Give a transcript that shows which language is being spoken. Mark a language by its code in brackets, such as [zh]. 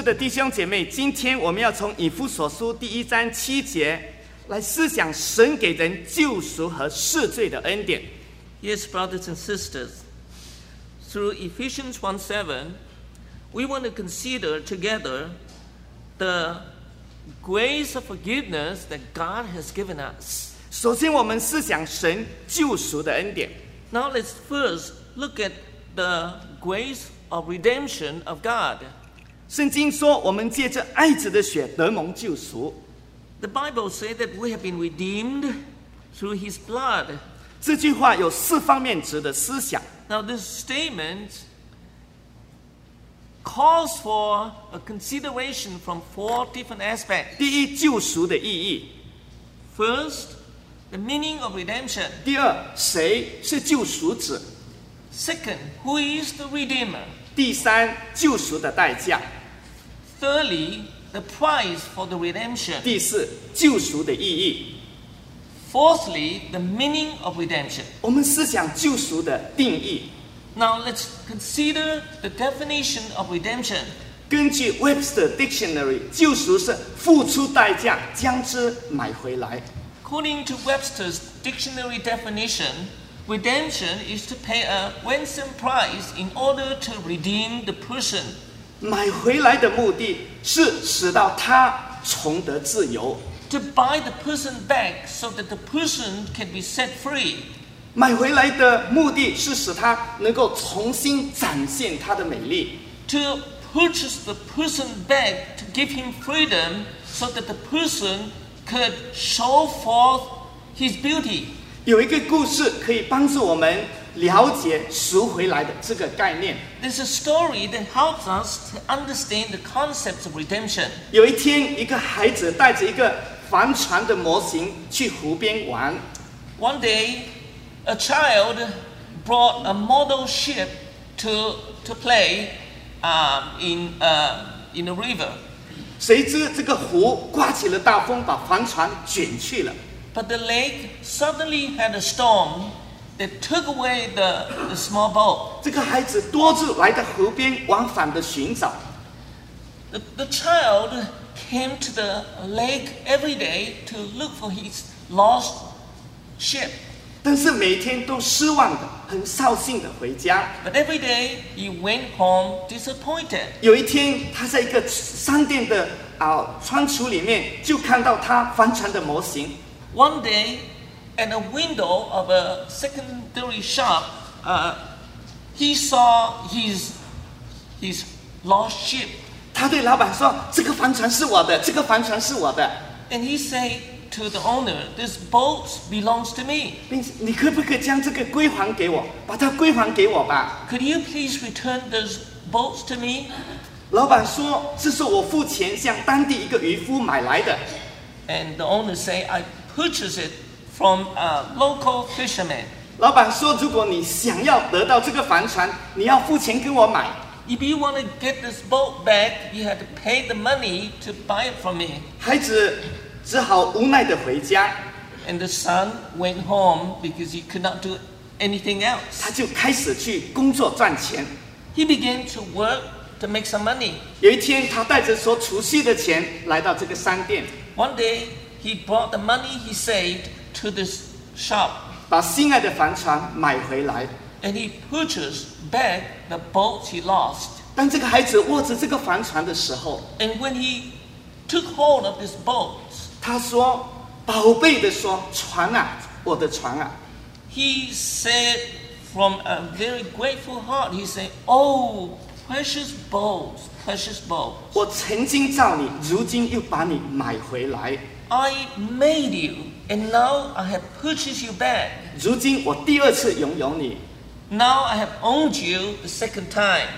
[zh] 兄姐妹，今天我们要从以弗所书第一章七节来思想神给人救赎和赦罪的恩典。 [en] Yes, brothers and sisters, through Ephesians 1:7, we want to consider together the grace of forgiveness that God has given us. [zh] 首先我们思想神救赎的恩典。 [en] Now let's first look at the grace of redemption of God. [zh] 圣经说我们借着爱子的血得蒙救赎。 [en] The Bible says that we have been redeemed through His blood. [zh] 这句话有四方面值得思想。 [en] Now this statement calls for a consideration from four different aspects. [zh] 第一，救赎的意义。 [en] First, the meaning of redemption. [zh] 第二，谁是救赎者。 [en] Second, who is the redeemer? [zh] 第三，救赎的代价。 [en] Thirdly,The price for the redemption. [zh] 第四，救赎的意义。 [en] Fourthly, the meaning of redemption. [zh] 我们思想救赎的定义。 [en] Now let's consider the definition of redemption. [zh] 根据 Webster Dictionary, 救赎是付出代价，将之买回来。 [en] According to Webster's dictionary definition, redemption is to pay a ransom price in order to redeem the person. [zh] 买回来的目的是使到他重得自由。 [en] To buy the person back so that the person can be set free. [zh] 买回来的目的是使他能够重新展现他的美丽。 [en] To purchase the person back to give him freedom so that the person could show forth his beauty. [zh] 有一个故事可以帮助我们了解赎回来的这个概念。 [en] There's a story that helps us to understand the concept of redemption. [zh] 有一天，一个孩子带着一个帆船的模型去湖边玩。 [en] One day, a child brought a model ship to play, in the river. [zh] 谁知这个湖刮起了大风，把帆船卷去了。 [en] But the lake suddenly had a storm. They took away the small boat. [zh] 这个孩子多次来到湖边往返的寻找。 [en] The child came to the lake every day to look for his lost ship. [zh] 但是每天都失望的，很扫兴的回家。 [en] But every day he went home disappointed. [zh] 有一天，他在一个商店的窗橱里面就看到他帆船的模型。 [en] One day. And a window of a secondary shop, he saw his lost ship. [zh] 他对老板说：“这个帆船是我的，这个帆船是我的。” [en] And he said to the owner, "This boat belongs to me." [zh] 你可不可以将这个归还给我？把它归还给我吧。 [en] Could you please return this boat to me? [zh] 老板说：“这是我付钱向当地一个渔夫买来的。” [en] And the owner said, "I purchased it." From a local fisherman. [zh] 老板说，如果你想要得到这个帆船，你要付钱跟我买。 [en] If you want to get this boat back, you have to pay the money to buy it from me. [zh] 孩子只好无奈地回家。 [en] And the son went home because he could not do anything else. [zh] 他就开始去工作赚钱。 [en] He began to work to make some money. [zh] 有一天，他带着所储蓄的钱来到这个商店。 [en] One day, he brought the money he saved. To this shop, [zh] 把心爱的帆船买回来 [en] and he purchased back the boat he lost. [zh] 当这个孩子握着这个帆船的时候 [en] and when he took hold of this boat, [zh] 他说，宝贝的说，船啊，我的船啊。 [en] He said from a very grateful heart, he said, "Oh, precious boat, precious boat." [zh] 我曾经造你，如今又把你买回来。 [en] I made you, and now I have purchased you back. [zh] 如今我第二次拥有你。 [en] Now I have owned you the second time.